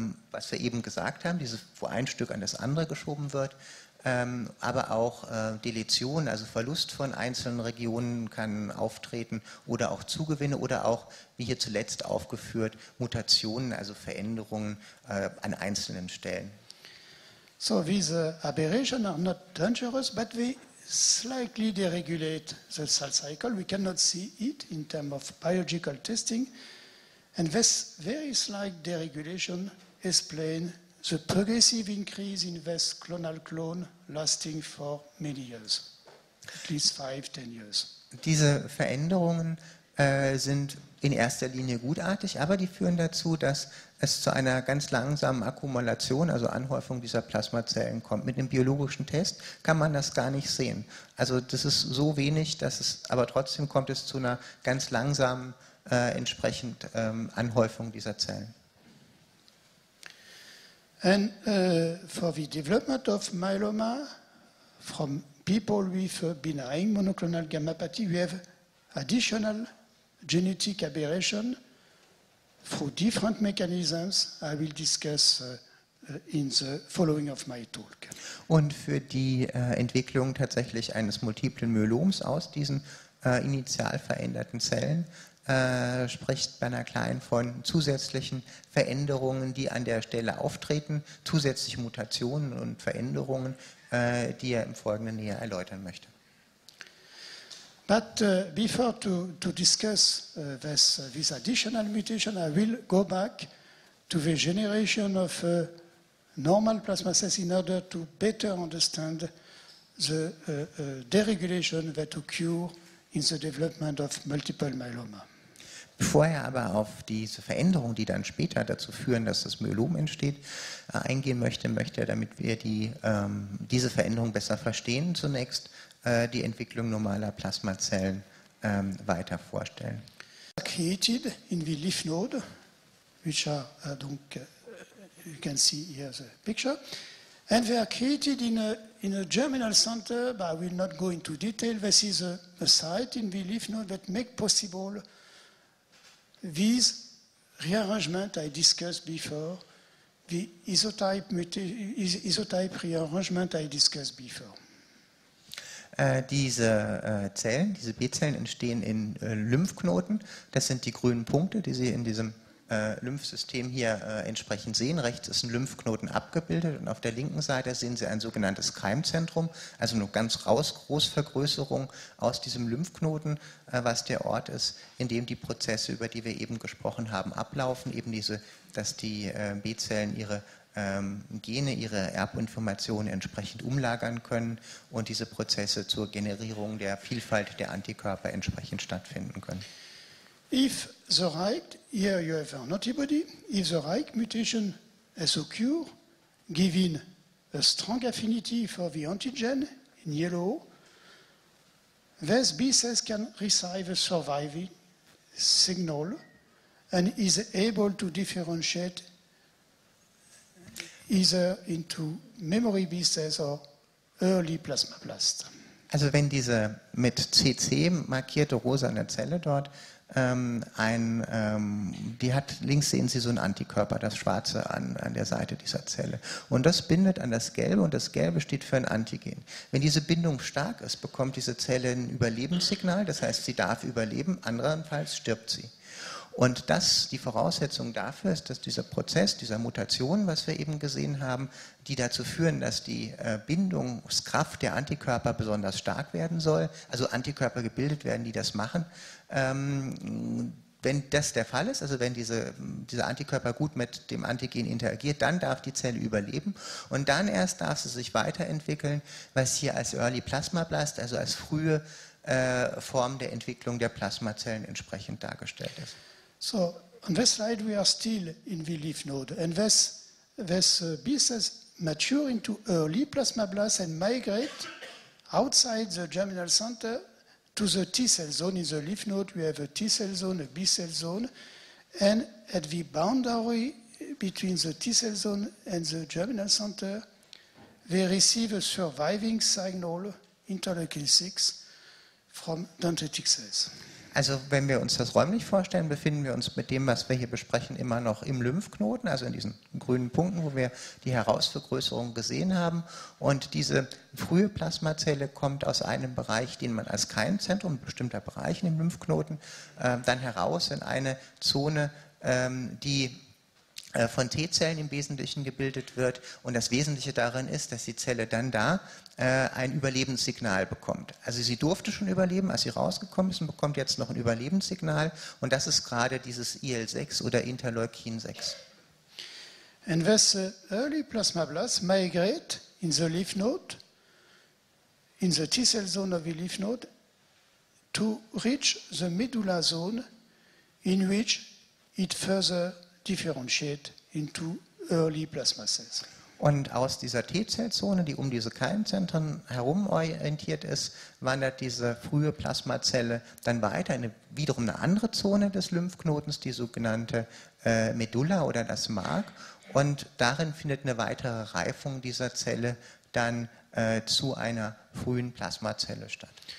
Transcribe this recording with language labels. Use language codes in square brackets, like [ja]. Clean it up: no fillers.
[de] was wir eben gesagt haben, diese, wo ein Stück an das andere geschoben wird, aber auch Deletion, also Verlust von einzelnen Regionen kann auftreten oder auch Zugewinne oder auch, wie hier zuletzt aufgeführt, Mutationen, also Veränderungen an einzelnen Stellen. [en] So these aberrations are not dangerous, but they slightly deregulate the cell cycle. We cannot see it in terms of biological testing. And this very slight deregulation explains the progressive increase in this clonal clone lasting for many years, at least 5-10 years. [de] Diese Veränderungen sind in erster Linie gutartig, aber die führen dazu, dass es zu einer ganz langsamen Akkumulation, also Anhäufung dieser Plasmazellen kommt. Mit dem biologischen Test kann man das gar nicht sehen. Also das ist so wenig, dass es, aber trotzdem kommt es zu einer ganz langsamen entsprechend Anhäufung dieser Zellen. [en] And for the development of myeloma from people with benign monoclonal gammopathy, we have additional genetic aberration through different mechanisms I will discuss in the following of my talk. [de] Und für die Entwicklung tatsächlich eines multiplen Myeloms aus diesen initial veränderten Zellen spricht Berner Klein von zusätzlichen Veränderungen, die an der Stelle auftreten, zusätzliche Mutationen und Veränderungen, die er im Folgenden näher erläutern möchte. [en] But before to discuss this additional mutation, I will go back to the generation of normal plasma cells in order to better understand the deregulation that occur in the development of multiple myeloma. [de] Bevor er aber auf diese Veränderungen, die dann später dazu führen, dass das Myelom entsteht, eingehen möchte, möchte er, damit wir diese Veränderung besser verstehen, zunächst die Entwicklung normaler Plasmazellen weiter vorstellen. [en] Created in the lymph node, which are, you can see here the picture, and they are created in a germinal center, but I will not go into detail. This is a site in the lymph node that makes possible these rearrangements I discussed before, the isotype rearrangement I discussed before. [de] Diese Zellen, diese B-Zellen entstehen in Lymphknoten. Das sind die grünen Punkte, die Sie in diesem Lymphsystem hier entsprechend sehen. Rechts ist ein Lymphknoten abgebildet und auf der linken Seite sehen Sie ein sogenanntes Keimzentrum, also eine ganz große Vergrößerung aus diesem Lymphknoten, was der Ort ist, in dem die Prozesse, über die wir eben gesprochen haben, ablaufen. Eben diese, dass die B-Zellen ihre Gene, ihre Erbinformationen entsprechend umlagern können und diese Prozesse zur Generierung der Vielfalt der Antikörper entsprechend stattfinden können. [en] If the right, here you have an antibody, if the right mutation has occurred, giving a strong affinity for the antigen in yellow, these B cells can receive a surviving signal and is able to differentiate either into memory B cells or early plasmablast. [de] Also wenn diese mit CC markierte rosane Zelle dort, die hat, links sehen Sie so einen Antikörper, das Schwarze an der Seite dieser Zelle. Und das bindet an das Gelbe und das Gelbe steht für ein Antigen. Wenn diese Bindung stark ist, bekommt diese Zelle ein Überlebenssignal, das heißt, sie darf überleben, andernfalls stirbt sie. Und das, die Voraussetzung dafür ist, dass dieser Prozess, dieser Mutation, was wir eben gesehen haben, die dazu führen, dass die Bindungskraft der Antikörper besonders stark werden soll, also Antikörper gebildet werden, die das machen, wenn das der Fall ist, also wenn dieser Antikörper gut mit dem Antigen interagiert, dann darf die Zelle überleben und dann erst darf sie sich weiterentwickeln, was hier als Early Plasmablast, also als frühe Form der Entwicklung der Plasmazellen entsprechend dargestellt ist. [en] So, on this slide we are still in the lymph node and this B cells mature into early plasmablast and migrate outside the germinal center to the T cell zone. In the lymph node we have a T cell zone, a B cell zone, and at the boundary between the T cell zone and the germinal center they receive a surviving signal interleukin 6 from dendritic cells. [de] Also wenn wir uns das räumlich vorstellen, befinden wir uns mit dem, was wir hier besprechen, immer noch im Lymphknoten, also in diesen grünen Punkten, wo wir die Herausvergrößerung gesehen haben. Und diese frühe Plasmazelle kommt aus einem Bereich, den man als Keimzentrum, bestimmter Bereich im Lymphknoten, dann heraus in eine Zone, die von T-Zellen im Wesentlichen gebildet wird. Und das Wesentliche darin ist, dass die Zelle dann da ein Überlebenssignal bekommt. Also sie durfte schon überleben, als sie rausgekommen ist, und bekommt jetzt noch ein Überlebenssignal. Und das ist gerade dieses IL-6 oder Interleukin 6. [en] And this early plasmablast migrate in the lymph node, in the T-cell zone of the lymph node, to reach the medulla zone, in which it further differentiate into early plasma cells. [de] Und aus dieser T-Zellzone, die um diese Keimzentren herum orientiert ist, wandert diese frühe Plasmazelle dann weiter in wiederum eine andere Zone des Lymphknotens, die sogenannte Medulla oder das Mark. Und darin findet eine weitere Reifung dieser Zelle dann zu einer frühen Plasmazelle statt.